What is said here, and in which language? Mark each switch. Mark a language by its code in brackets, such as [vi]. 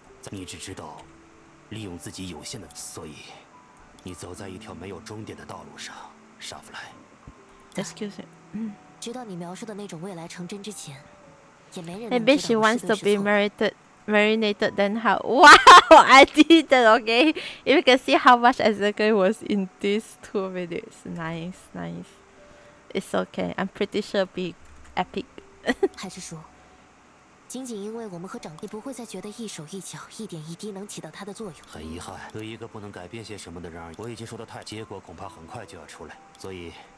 [zh] 你只知道利用自己有限的，所以你走在一条没有终点的道路上，沙弗莱。 [en] Excuse me. [zh] 直到你描述的那种未来成真之前，也没人。 [en] Maybe she wants to be marinated. Then how? Wow, I did it. Okay, if you can see how much exactly was in these 2 minutes. Nice. It's okay. I'm pretty sure it'll be epic. [zh] 还是说，仅仅因为我们和长辈不会再觉得一手一脚、一点一滴能起到它的作用。很遗憾，对一个不能改变些什么的人而言，我已经说的太，结果恐怕很快就要出来，所以。